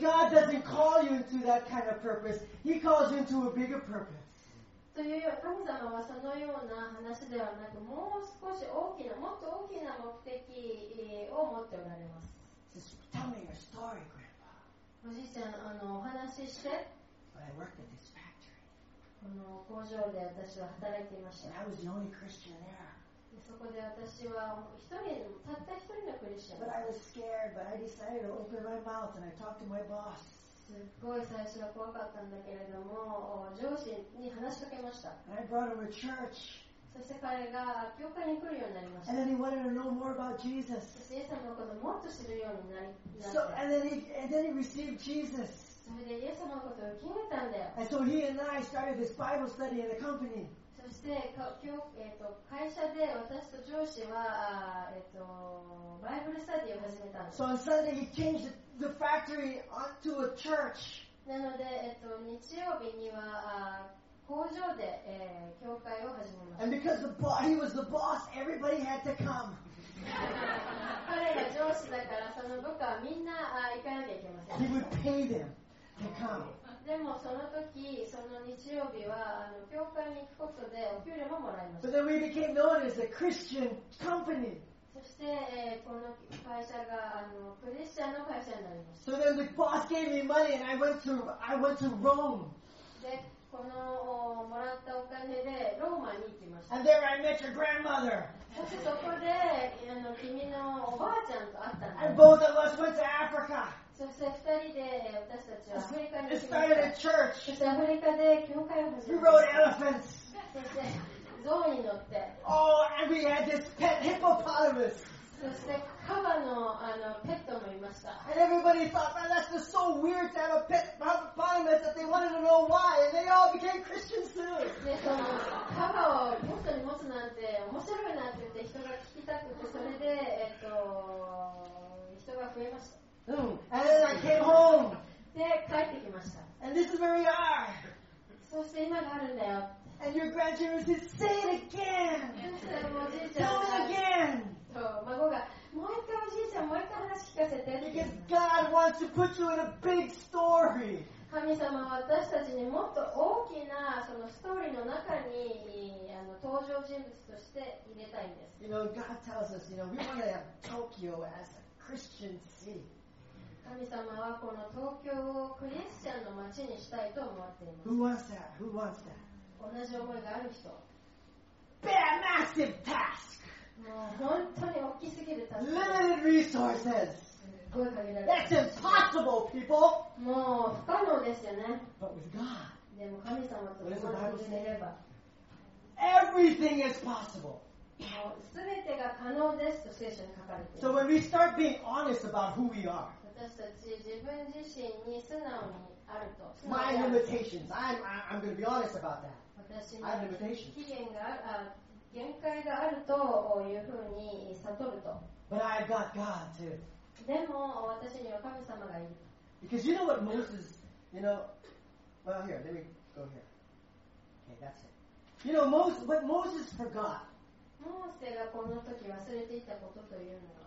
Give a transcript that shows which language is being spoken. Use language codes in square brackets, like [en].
[en] God doesn't call you into that kind of purpose. He calls you into a bigger purpose. [ja] というよ、神様はそのような話ではなく、もう少し大きな、もっと大きな目的を持っておられます。 [en] Just tell me your story, Grandpa. [ja] おじいちゃん、あのお話しして。 [en] But I worked at this factory. [ja] この工場で私は働いていました。 [en] And I was the only Christian there. [ja] そこで私は一人たった一人のクリスチャン。 [en] But I was scared, but I decided to open my mouth and I talked to my boss. [ja] すごい最初は怖かったんだけれども、上司に話しかけました。 [en] And I brought him to church. [ja] そそして彼が教会に来るようになりました。 [en] And then he wanted to know more about Jesus. [ja] そしてイエス様のことをもっと知るようになりました。 [en] So, and then he received Jesus. [ja] それでイエス様のことを決めたんだよ。 [en] And so he and I started this Bible study in the company. [ja] そして会社で私と上司はバイブルスタディを始めたんです [en] 。So on Sunday he changed the factory onto a church. [ja] なので日曜日には工場で、教会を始めました。 [en] And because the boss, he was the boss, everybody had to come. [ja] 彼が上司だから、その部下はみんな行かなきゃいけません。 [en] He would pay them to come. [ja] でもその時、その日曜日は教会に行くことでお給料ももらいました。 [en] But then we became known as a Christian company. [ja] そして、この会社がクリスチャンの会社になりました。 [en] So then the boss gave me money and I went to Rome. [ja] でこのもらったお金でローマに行きました。 [en] And there I met your grandmother. [ja] そしてそこで君のおばあちゃんと会ったの。 [en] And both of us went to Africa. [ja] そして二人で私たちはアフリカに行きました。 [en] Started a church. [ja] そしてアフリカで教会を始めました。 [en] We rode elephants. [ja] そして象に乗って。 [en] Oh, and we had this pet hippopotamus. [ja] そしてカバのペットもいました。 [en] And everybody thought, man, that's just so weird to have a pet hippopotamus that they wanted to know why, and they all became Christians too. [ja] で、そのカバをペットに持つなんて面白いなんて言って人が聞きたくて、それで人が増えました。 [en] And then I came home. [ja] で、帰ってきました。 [en] And this is where we are. [ja] そして今があるんだよ。 [en] And your grandchildren said, say it again. Tell me again. [ja] 孫がもう一回おじいちゃんもう一回話聞かせて。 [en] Because God wants to put you in a big story. [ja] 神様は私たちにもっと大きなそのストーリーの中に登場人物として入れたいんです。 [en] You know, God tells us, you know, we want to have Tokyo as a Christian city. [ja] 神様はこの東京をクリスチャンの街にしたいと思っています。 [en] Who wants that? Who wants that? [ja] 同じ思いがある人。 [en] Big massive task. [ja] 本当に大きすぎる。 [en] Limited resources. That's impossible, people. [ja] もう不可能ですよね。 [en] But with God. [ja] でも神様と共にいれば、 [en] everything is possible. [ja] もうすべてが可能ですと聖書に書かれています。 [en] So when we start being honest about who we are. [ja] 私たち自分自身に素直にあると。 [en] My limitations. I'm going to be honest about that. I have limitations. [ja] 期限がある。限界があるというふうに悟ると。 [en] But I've got God too. [ja] でも私には神様がいる。 [en] Because you know what Moses, you know, well here, let me go here. Okay, that's it. You know, Moses, what Moses forgot. [ja] モーセがこの時忘れていたことというのは、